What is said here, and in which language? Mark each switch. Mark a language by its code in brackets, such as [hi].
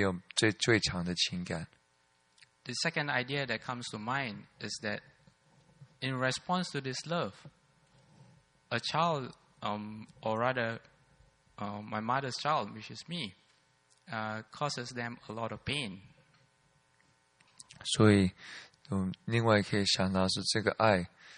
[zh] 所以可能比较清楚，就是一个情感，就是没有最最强的情感。 [en] The second idea that comes to mind is that, in response to this love, a child, or rather, my mother's child, which is me, causes them a lot of pain. [zh] 所以，另外可以想到是这个爱。